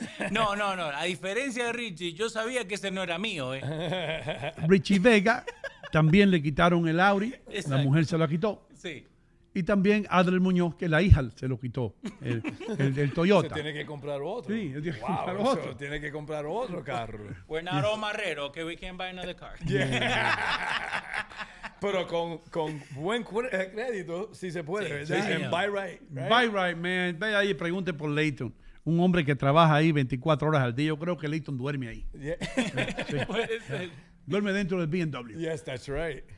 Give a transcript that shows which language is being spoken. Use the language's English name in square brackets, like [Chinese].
[Spanish] No, no, no. A diferencia de Richie, yo sabía que ese no era mío. Richie Vega también le quitaron el Audi. Exacto. La mujer se lo quitó. Sí. Y también Adriel Muñoz, que la hija se lo quitó, el Toyota. Se tiene que comprar otro. Sí, él tiene que comprar otro. Se tiene que comprar otro carro. [English] We're not all marrero, okay, we can't buy another car. Yeah. [Spanish] Pero con buen crédito, sí se puede, sí, ¿verdad? Sí, en Buy Right. Buy Right, man. Ve ahí y pregunte por Leighton. Un hombre que trabaja ahí 24 horas al día. Yo creo que Leighton duerme ahí. Yeah. Sí. Puede ser. Duerme dentro del BMW. [English] Yes, that's right.